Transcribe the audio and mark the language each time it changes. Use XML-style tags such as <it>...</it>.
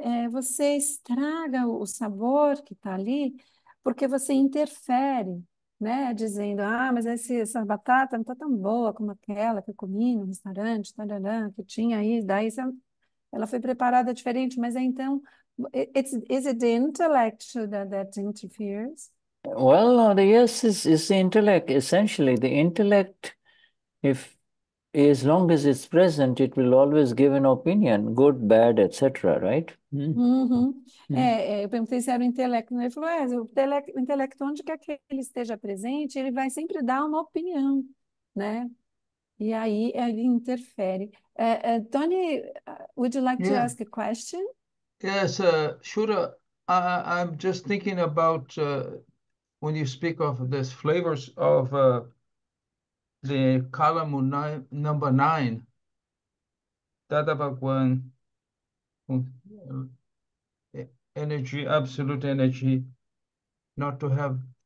<pt>você estraga o sabor que está ali porque você interfere, né? Dizendo: "Ah, mas essa batata não está tão boa como aquela que eu comi no restaurante, tararã, que tinha aí, daí ela foi preparada diferente." Mas então,</pt> <en>is it the intellect that interferes? Well, yes, it's the intellect, essentially, the intellect. If as long as it's present, it will always give an opinion, good, bad, etc., right?</en> <pt>Eu perguntei se era o intelecto, né? Ele falou: o intelecto, onde quer que ele esteja presente, ele vai sempre dar uma opinião, né? E aí ele interfere.</pt> <en>Tony, would you like to ask a question? Yes, Shura, I'm just thinking about when you speak of these flavors of the column number nine, Dada Bhagwan, energy, absolute energy, not to have.</en>